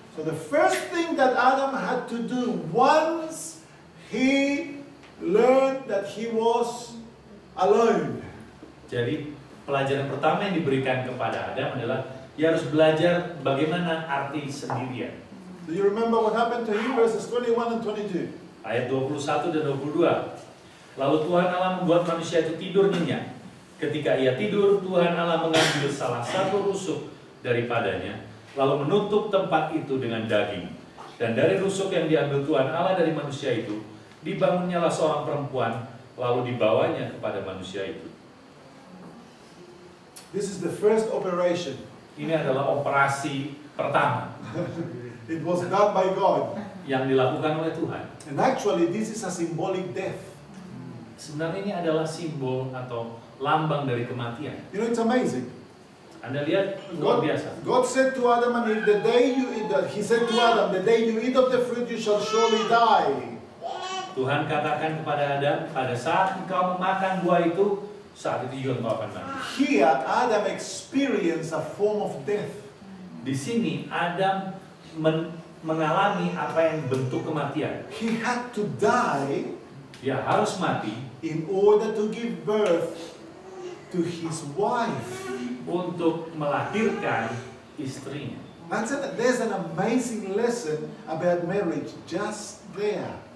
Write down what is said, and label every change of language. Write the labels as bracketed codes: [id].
[en] So the first thing that Adam had to do once he learned that he was alone. [id] Jadi pelajaran pertama yang diberikan kepada Adam adalah dia harus belajar bagaimana arti sendirian. [en] Do you remember what happened to him, verses 21 and 22? [id] Ayat 21 dan 22. Lalu Tuhan Allah membuat manusia itu tidur nyenyak. Ketika ia tidur, Tuhan Allah mengambil salah satu rusuk daripadanya, lalu menutup tempat itu dengan daging. Dan dari rusuk yang diambil Tuhan Allah dari manusia itu, dibangunnyalah seorang perempuan, lalu dibawanya kepada manusia itu. [en] This is the first operation. [id] Ini adalah operasi pertama. [en] It was done by God. [id] Yang dilakukan oleh Tuhan. [en] And actually, this is a symbolic death. [id] Sebenarnya ini adalah simbol atau lambang dari kematian. [en] You know, it's amazing. [id] Anda lihat [en] God, [id] luar biasa. [en] God said to Adam, and the day you eat, He said to Adam, the day you eat of the fruit, you shall surely die. [id] Tuhan katakan kepada Adam, pada saat engkau makan buah itu, saat itu juga engkau akan mati. [en] Here, Adam experienced a form of death. [id] Di sini Adam mengalami apa yang bentuk kematian. [en] He had to die. [id] Dia harus mati. [en] In order to give birth to his wife. [id] Untuk melahirkan istrinya. [en] There's an amazing lesson about marriage just there.